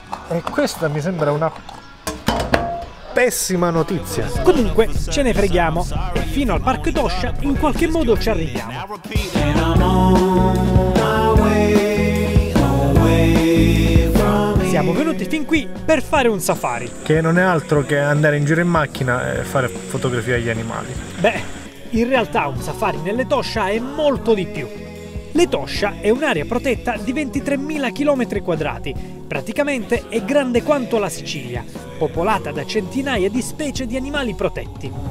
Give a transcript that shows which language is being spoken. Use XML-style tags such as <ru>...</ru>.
<it>E questa mi sembra una pessima notizia. Comunque, ce ne freghiamo e fino al parco Etosha in qualche modo ci arriviamo.</it> <en>And I'm on my way, away from here.</en> <it>siamo venuti fin qui per fare un safari, che non è altro che andare in giro in macchina e fare fotografie agli animali. Beh, in realtà un safari nell'Etosha è molto di più. L'Etosha è un'area protetta di 23.000 km quadrati, praticamente è grande quanto la Sicilia, popolata da centinaia di specie di animali protetti.</it>